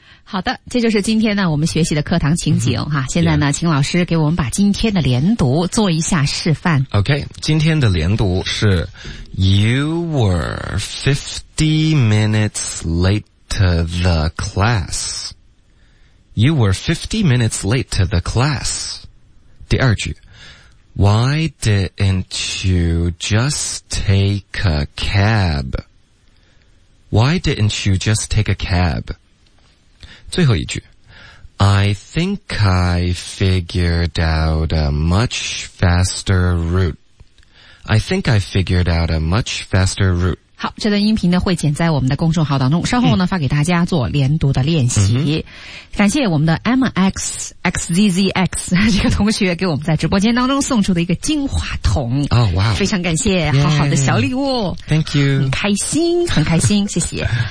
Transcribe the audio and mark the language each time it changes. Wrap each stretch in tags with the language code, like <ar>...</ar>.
<zh>好的，这就是今天呢我们学习的课堂情景、现在呢、请老师给我们把今天的连读做一下示范。</zh> <en>OK,</en> <zh>今天的连读是</zh> <en>You were 50 minutes late to the class. You were 50 minutes late to the class.</en> <zh>第二句。</zh> <en>Why didn't you just take a cab? Why didn't you just take a cab?</en> <zh>最后一句</zh> <en>I think I figured out a much faster route. I think I figured out a much faster route.</en> <zh>好，这段音频呢会剪在我们的公众号当中，稍后呢发给大家做连读的练习。感谢我们的 MXXZZX 这个同学给我们在直播间当中送出的一个金话筒。哦，哇，非常感谢，好好的小礼物。</zh> <en>Thank you。</en> <zh>很开心，很开心，谢谢。</zh>